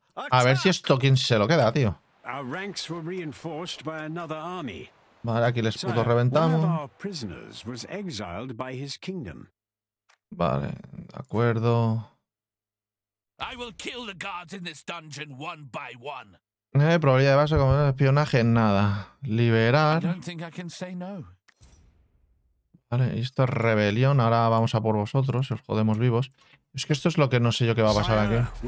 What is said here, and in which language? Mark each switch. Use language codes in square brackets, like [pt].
[es] A ver si esto quién se lo queda, tío. [en] Our ranks were reinforced by another army. [es] Vale, aquí les puto reventamos. [en] One of our prisoners was exiled by his kingdom. [es] Vale, de acuerdo. [en] I will kill the guards in this dungeon one by one. [es] Probabilidad de base como espionaje, nada. Liberar. [en] I don't think I can say no. [es] Vale, esto es rebelión. Ahora vamos a por vosotros, os jodemos vivos. Es que esto es lo que no sé yo qué va a pasar aquí.